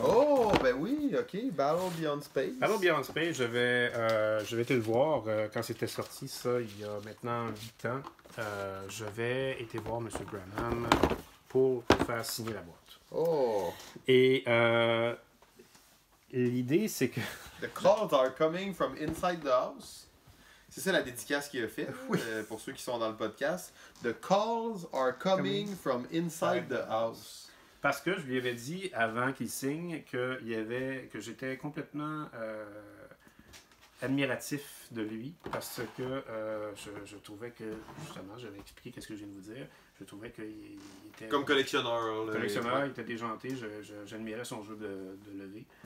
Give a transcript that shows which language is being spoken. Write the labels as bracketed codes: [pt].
[fr] Oh, ben oui, ok. Battle Beyond Space. Battle Beyond Space, j'avais été le voir quand c'était sorti, ça, il y a maintenant 8 ans. J'avais été voir M. Branham pour faire signer la boîte. Oh! Et l'idée, c'est que... [en] The calls are coming from inside the house. [fr] C'est ça la dédicace qu'il a faite, oui. Pour ceux qui sont dans le podcast. [en] The calls are coming from inside the house. [fr] Parce que je lui avais dit, avant qu'il signe, que j'étais complètement admiratif de lui, parce que je trouvais que, justement, j'avais expliqué qu'est-ce que je viens de vous dire, je trouvais qu'il était... Comme collectionneur. Collectionneur, il était déjanté, j'admirais son jeu de levée.